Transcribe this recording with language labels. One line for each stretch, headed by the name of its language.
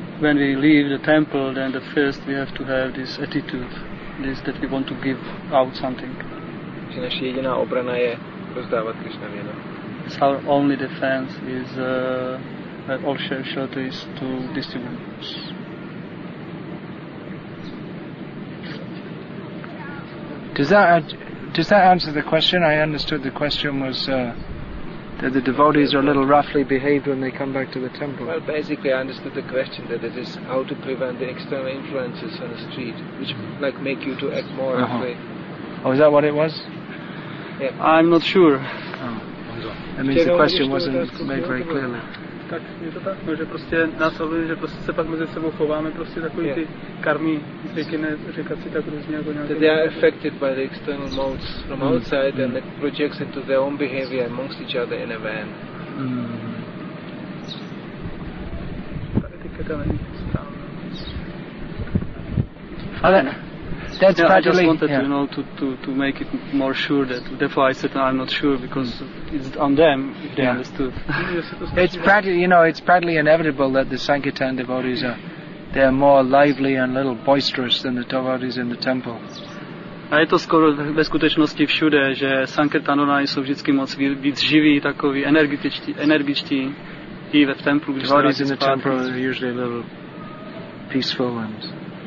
English: When we leave the temple, then the first we have to have this attitude, this that we want to give out something.
Czech: Že naše jediná obrana je rozdávat Krishna věno.
English: So our only defense is all shelter is to distribute. Does that answer the question? I understood the question was that the devotees are a little roughly behaved when they come back to the temple. Well, basically, I understood the question that it is how to prevent the external influences on the street, which like make you to act more roughly. Oh, is that what it was? Yeah. I'm not sure. That means the question wasn't made very clearly.
Czech: Tak je to tak, no, že prostě nás ovlivňuje, že prostě se pak mezi sebou chováme prostě takový ty karmy, zvykne říkat si tak různě jako nějaké.
English: They are affected by the external modes from outside and it projects into their own behavior amongst each other in a van. That's no, I just wanted to, you know, to make it more sure that therefore I said I'm not sure because it's on them if they understood. it's practically inevitable that the Sankirtan devotees are more lively and a little boisterous than the devotees in the temple.
Czech: A je to skoro ve skutečnosti všude, že Sankirtanonai jsou vždycky moc víc živí, takový energičtí i ve templu.
English: Devotees in the temple are usually a little peaceful and